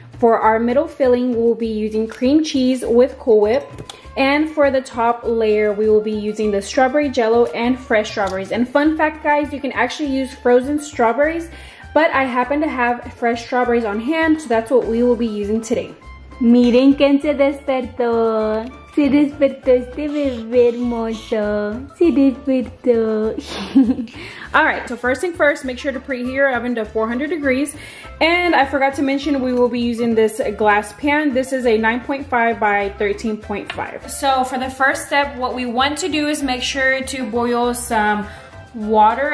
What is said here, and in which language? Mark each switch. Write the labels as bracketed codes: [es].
[en] For our middle filling, we'll be using cream cheese with Cool Whip. And for the top layer, we will be using the strawberry jell-o and fresh strawberries. And fun fact, guys, you can actually use frozen strawberries, but I happen to have fresh strawberries on hand, so that's what we will be using today. [es] Miren quien se despertó. Se despertó este bebé hermoso. Se despertó. [en] All right, so first thing first, make sure to preheat your oven to 400 degrees. And I forgot to mention, we will be using this glass pan. This is a 9.5 by 13.5. So for the first step, what we want to do is make sure to boil some water.